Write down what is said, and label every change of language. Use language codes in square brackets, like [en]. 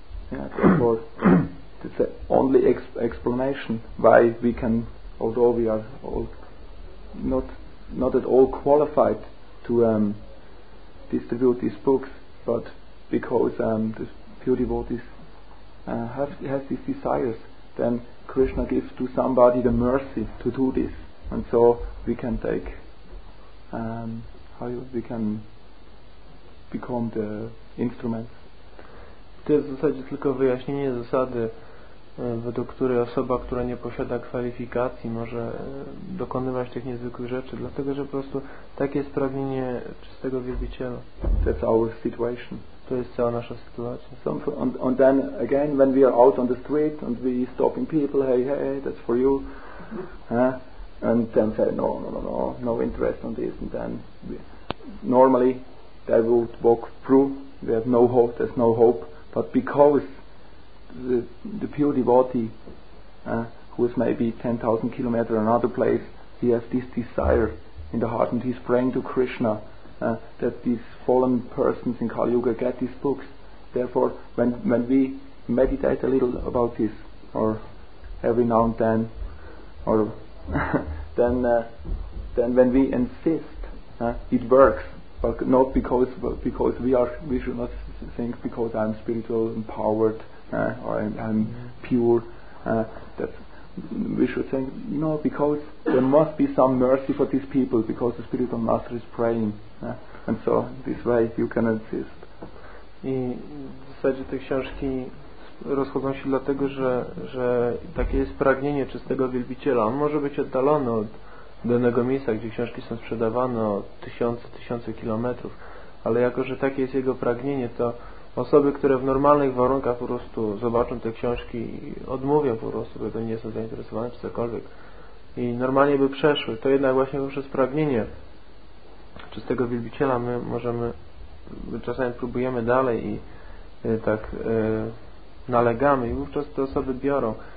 [en] It's the only explanation why we can, although we are all not at all qualified to distribute these books, but because the pure devotees has these desires, then Krishna gives to somebody the mercy to do this, and so we can take we can become the instrument. [pl] To jest w zasadzie tylko wyjaśnienie zasady, według której osoba, która nie posiada kwalifikacji, może dokonywać tych niezwykłych rzeczy, dlatego że po prostu takie jest pragnienie czystego wielbiciela. [en] That's our situation. [pl] To jest cała nasza sytuacja. [en] And then again, when we are out on the street and we stopping people, hey, that's for you, and then say no interest on this, and then normally they would walk through. We have no hope. There's no hope. But because the pure devotee who is maybe 10,000 kilometers another place, he has this desire in the heart and he's praying to Krishna that these fallen persons in Kali Yuga get these books. Therefore, when we meditate a little about this, or every now and then, or then when we insist, it works. But not because we should not think because I'm spiritual, empowered, or I'm pure, that we should think, because there must be some mercy for these people, because the spiritual master is praying, and so this way you can insist. [pl] I w zasadzie te książki rozchodzą się dlatego, że takie jest pragnienie czystego wielbiciela. On może być oddalony od danego miejsca, gdzie książki są sprzedawane, o tysiące kilometrów, ale jako że takie jest jego pragnienie, to osoby, które w normalnych warunkach po prostu zobaczą te książki i odmówią po prostu, bo nie są zainteresowane czy cokolwiek, i normalnie by przeszły, to jednak właśnie poprzez pragnienie czystego wielbiciela my czasami próbujemy dalej i tak nalegamy, i wówczas te osoby biorą.